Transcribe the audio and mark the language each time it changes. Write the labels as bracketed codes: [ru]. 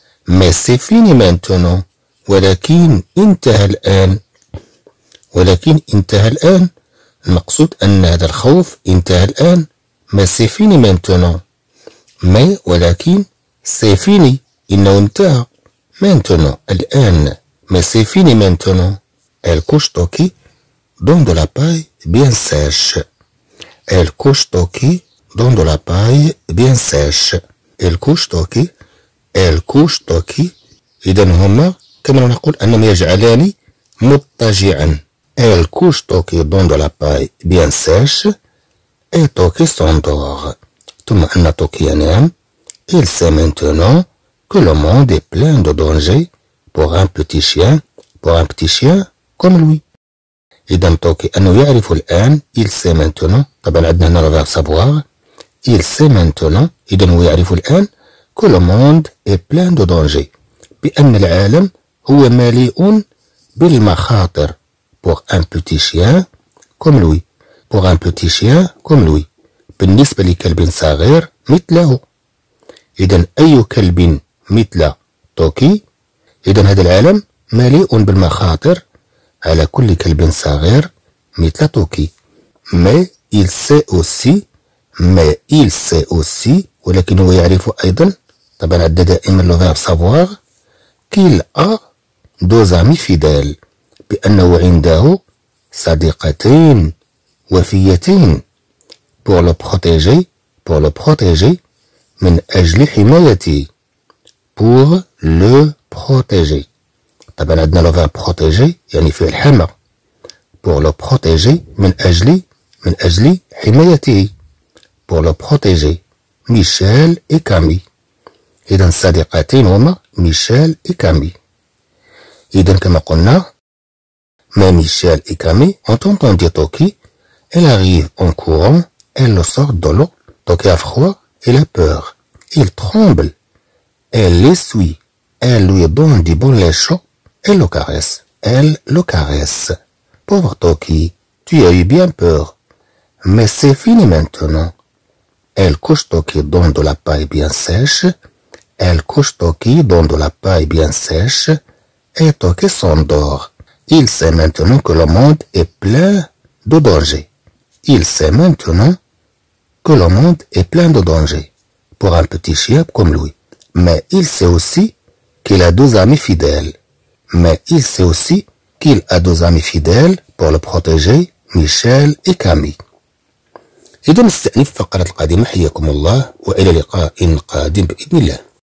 [fr] Mais c'est fini maintenant. [ar] ولكن انتهى الآن. ولكن انتهى الآن. المقصود أن هذا الخوف انتهى الآن. [fr] Mais c'est fini maintenant. Mais [ar] ولكن [fr] c'est fini. [ar] إنه انتهى. [fr] Maintenant. [ar] الآن. [fr] Mais c'est fini maintenant. Elle couche Toki dans de la paille bien sèche. Elle couche Toki dans de la paille bien sèche. Elle couche Toki. Elle couche Toki. [ar] إذن هما كما نقول أنهم يجعلان مضطجعا. [fr] Elle couche Toki dans de la paille bien sèche. Et Toki s'endort. [ar] ثم أن Toki ينام. [fr] Il sait maintenant que le monde est plein de dangers pour un petit chien. Pour un petit chien comme lui. [ar] إذن Toki أنه يعرف الآن. [fr] Il sait maintenant. [ar] طبعا عندنا هنا [fr] le verbe savoir. Il sait maintenant. [ar] إذن هو يعرف الآن. [fr] Que le monde est plein de dangers. [ar] بأن العالم هو مليء بالمخاطر. [fr] Pour un petit chien comme lui. Pour un petit chien comme lui. [ar] بالنسبة لكلب صغير مثله. إذن أي كلب مثل توكي. إذن هذا العالم مليء بالمخاطر على كل كلب صغير مثل توكي. [fr] Mais il sait aussi. Mais il sait aussi. [ar] ولكن هو يعرف أيضا. طبعا عندنا دائما [fr] لو فيرب سافوار. Qu'il a deux amis fidèles. [ar] بأنه عنده صديقتين وفيتين. [fr] Pour le protéger. Pour le protéger. [ar] من أجل حمايته. [fr] Pour le protéger. [ar] طبعا عندنا [fr] لو فيرب [ar] protéger يعني فعل حمى. [fr] Pour le protéger. [ar] من أجل حمايته. [fr] Pour le protéger. Michel et Camille. [ar] إذن صديقتين هما ميشيل إيكامي. إذن كما قلنا ما ميشيل إيكامي [fr] entendant dire Toki elle arrive en courant elle le sort de l'eau. Toki a froid et la peur. Il tremble. Elle l'essuie. Elle lui donne du bon lait chaud. Elle le caresse. Elle le caresse. Pauvre Toki, tu as eu bien peur. Mais c'est fini maintenant. Elle couche Toki dans de la paille bien sèche. Elle couche Toki dans de la paille bien sèche et Toki s'endort. Il sait maintenant que le monde est plein de dangers. Il sait maintenant que le monde est plein de dangers pour un petit chien comme lui. Mais il sait aussi qu'il a deux amis fidèles. Mais il sait aussi qu'il a deux amis fidèles pour le protéger, Michel et Camille. [ar] إذن استأنف فقرة القادمة حياكم الله وإلى لقاء قادم بإذن الله.